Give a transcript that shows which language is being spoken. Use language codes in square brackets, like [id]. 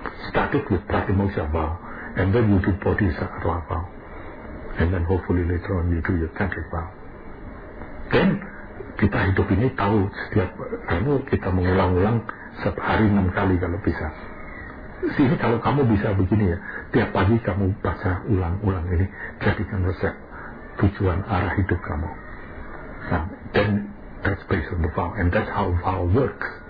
[en] Start it with pratimoksha vow. And then you do bodhisattva vow. And then hopefully later on you do your tantric vow. [id] Then kita hidup ini tahu setiap kamu kita mengulang-ulang setiap hari 6 kali kalau bisa. Sini kalau kamu bisa begini ya, tiap pagi kamu baca ulang-ulang ini, jadikan resep tujuan arah hidup kamu. [en] Nah, then that's based on the vow, and that's how vow works.